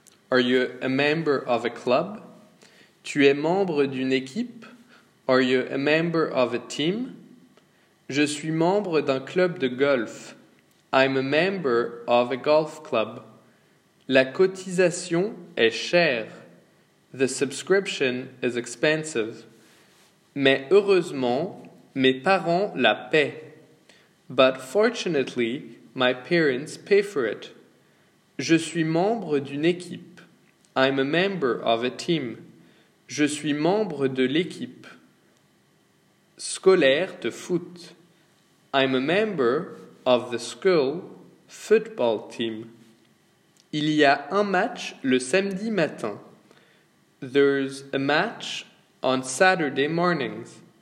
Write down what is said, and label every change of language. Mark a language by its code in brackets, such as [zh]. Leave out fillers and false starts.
[en] Are you a member of a club? [fr] Tu es membre d'une équipe? [en] Are you a member of a team? [fr] Je suis membre d'un club de golf. [en] I'm a member of a golf club. [fr] La cotisation est chère. [en] The subscription is expensive. [fr] Mais heureusement, mes parents la paient. [en] But fortunately, my parents pay for it. [fr] Je suis membre d'une équipe. [en] I'm a member of a team. [fr] Je suis membre de l'équipe scolaire de foot. [en] I'm a member of the school football team. [fr] Il y a un match le samedi matin. [en] There's a match on Saturday mornings.